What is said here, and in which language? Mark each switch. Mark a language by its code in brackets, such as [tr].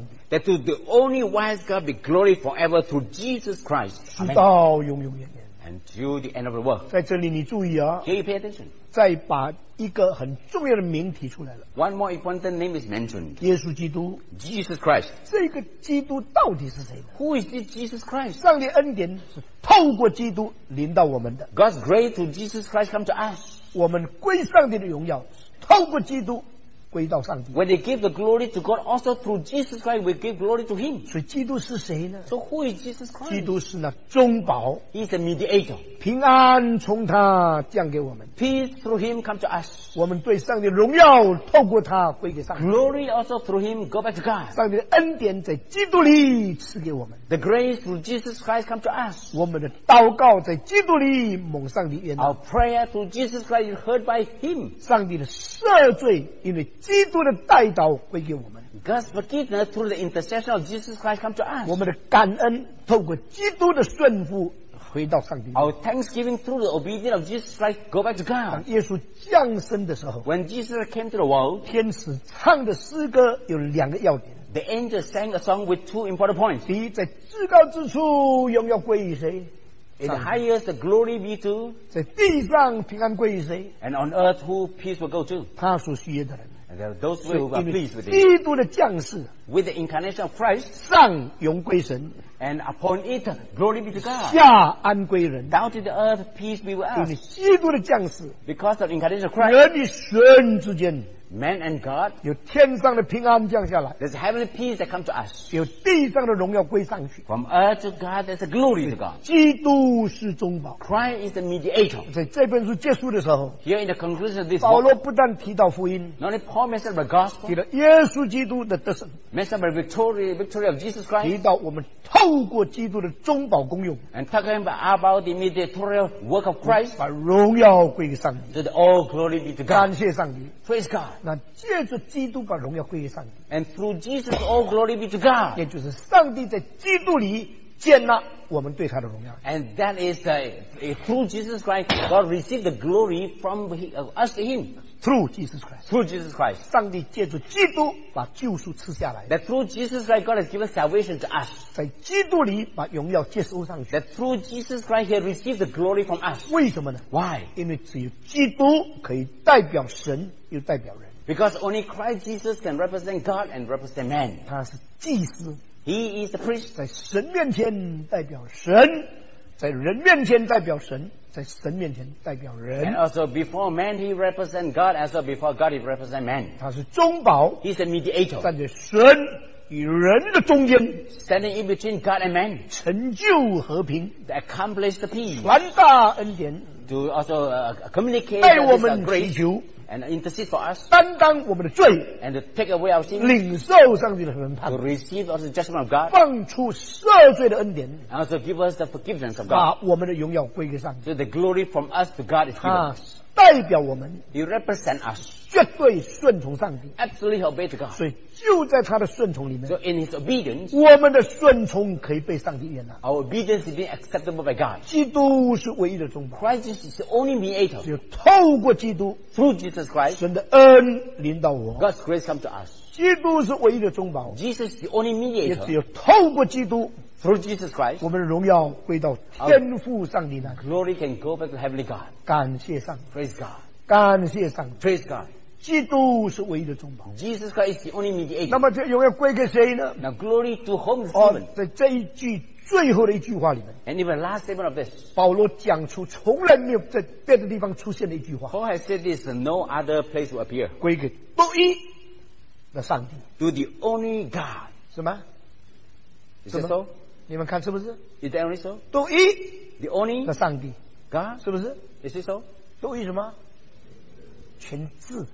[en] that to the only wise God be glory forever through Jesus Christ. [zh] 直到永永远远, [en] until the end of the world. [zh] 在这里你注意啊。 [en] Here you pay attention. [zh] 再把一个很重要的名提出来了。 [en] One more important name is mentioned. [zh] 耶稣基督。 [en] Jesus Christ. [zh] 这个基督到底是谁呢？ [en] Who is this Jesus Christ? [zh] 上帝恩典是透过基督临到我们的。 [en] God's grace to Jesus Christ come to us. [zh] 我们归上帝的荣耀透过基督归到上帝。 [en] When they give the glory to God, also through Jesus Christ, we give glory to Him. [zh] 所以基督是谁呢？ [en] So who is Jesus Christ? [zh] 基督是那中保。 [en] He's a mediator. [zh] 平安从他降给我们。 [en] Peace through Him come to us. [zh] 我们对上帝荣耀透过他归给上帝。 [en] Glory also through Him go back to God. [zh] 上帝的恩典在基督里赐给我们。 [en] The grace through Jesus Christ come to us. [zh] 我们的祷告在基督里蒙上帝悦纳。 [en] Our prayer through Jesus Christ is heard by Him. [zh] 上帝的赦罪因为基督的代祷归给我们。 [en] God's forgiveness through the intercession of Jesus Christ come to us. [zh] 我们的感恩透过基督的顺服回到上帝。 [en] Our thanksgiving through the obedience of Jesus Christ go back to God. [zh] 当耶稣降生的时候 [en] ，When Jesus came to the world， [zh] 天使唱的诗歌有两个要点。 [en] The angel sang a song with two important points. [zh] 第一，在至高之处荣耀归于谁？ [en] In the highest, the glory be to. [zh] 在地上平安归于谁 [en] ？And on earth, who peace will go to? [zh] 他所需要的人。 [en] And there are those who are pleased with it. [zh] 基督的降世 [en] ，with the incarnation of Christ, [zh] 上荣归神 [en] ，and upon it, glory be to God. [zh] 下安归人 [en] ，down to the earth, peace be with us. [zh] 因为基督的降世 [en] ，because of the incarnation of Christ, [zh] 人与神之间。 [en] Man and God, [zh] 有天上的平安降下来。 [en] There's heavenly peace that come to us. [zh] 有地上的荣耀归上去。 [en] From earth to God, there's a glory to God. [zh] 基督是中保。 [en] Christ is the mediator. [zh] 在这本书结束的时候 [en] ，Here in the conclusion of this, [zh] 保罗不但提到福音 [en] ，Not only Paul mentioned the gospel, [zh] 提到耶稣基督的得胜 [en] ，Mentioned the victory of Jesus Christ, [zh] 提到我们透过基督的中保功用 [en] ，And talking about the mediatorial work of Christ, [zh] 把荣耀归给上帝。 [en] That all glory be to God. [zh] 感谢上帝。 [en] Praise God. [zh] 那借着基督把荣耀归于上帝 [en] ，and through Jesus all glory be to God， [zh] 也就是上帝在基督里接纳我们对他的荣耀 [en] ，and that is through Jesus Christ God received the glory from us to Him。 Through Jesus Christ. Through Jesus Christ. [zh] 上帝借助基督把救赎赐下来。 [en] That through Jesus Christ, God has given salvation to us. [zh] 在基督里把荣耀接收上去。 [en] That through Jesus Christ, He has received the glory from us. [zh] 为什么呢 [en] ？Why? [zh] 因为只有基督可以代表神，又代表人。 [en] Because only Christ Jesus can represent God and represent man. [zh] 他是祭司。 [en] He is the priest. [zh] 在神面前代表神，在人面前代表神。在神面前代表人 [en] and also before man he represents God as well before God he represents man [zh] 他是中保 [en] he's a mediator [zh] 站在神与人的中间 [en] standing in between God and man [zh] 成就和平 [en] to accomplish the peace [zh] 传达恩典 [en] to also communicate [zh] 带我们祈求 [en] and intercede for us [zh] 担当我们的罪 [en] and to take away our sins [zh] 领受上帝的审判 [en] to receive also the judgment of God [zh] 放出赦罪的恩典 [en] and also give us the forgiveness of God [zh] 把我们的荣耀归给上帝 [en] so the glory from us to God is given [zh] 代表我们 [en] he represents us [zh] 绝对顺从上帝 [en] absolutely obey to God [zh] 所以就在他的顺从里面 [en] so in his obedience [zh] 我们的顺从可以被上帝悦纳 [en] our obedience is being acceptable by God [zh] 基督是唯一的中保 [en] Christ is the only mediator [zh] 只有透过基督 [en] through Jesus Christ [zh] 神的恩临到我 [en] God's grace come to us [zh] 基督是唯一的中保 [en] Jesus is the only mediator [zh] 也只有透过基督 [en] through Jesus Christ [zh] 我们的荣耀归到天父上帝那里 [en] glory can go back to heavenly God [zh] 感谢上帝 [en] praise God [zh] 感谢上帝 [en] praise God [zh] 基督是唯一的中保。 [en] Jesus Christ is the only mediator. [zh] 那么这荣耀归给谁呢 [en] ？Now glory to whom is given？ [zh] 在这一句最后的一句话里面 [en] ，And even last statement of this， [zh] 保罗讲出从来没有在别的地方出现的一句话。 [en] Paul has said this, no other place will appear. [zh] 归给独一的上帝。 [en] To the only God， [zh] 是吗？是吗？你们看是不是 [en] ？Is that only so？ [zh] 独一 [en] ，the only [zh] 的上帝 [en] ，God [zh] 是不是 [en] ？Is it so？ [zh] 独一什么？全智